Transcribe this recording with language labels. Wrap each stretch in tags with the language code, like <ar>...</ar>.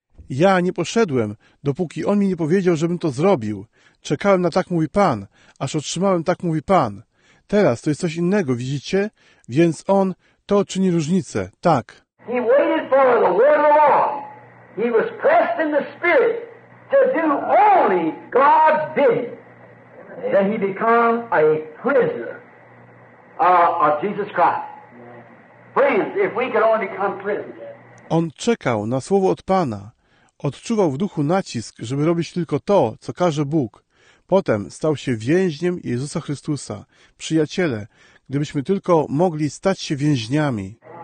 <pl>Ja nie poszedłem, dopóki on mi nie powiedział, żebym to zrobił. Czekałem na tak mówi Pan, aż otrzymałem tak mówi Pan. Teraz to jest coś innego, widzicie? Więc on to czyni różnicę, tak.</pl> <en>He waited for the word of the Lord. He was pressed in the Spirit to do only God's bidding. Then he became a prisoner of Jesus Christ. Friends, if we could only become prisoners.</en> <pl>On czekał na słowo od Pana. Odczuwał w duchu nacisk, żeby robić tylko to, co każe Bóg. Potem stał się więźniem Jezusa Chrystusa. Przyjaciele, gdybyśmy tylko mogli stać się więźniami.</pl>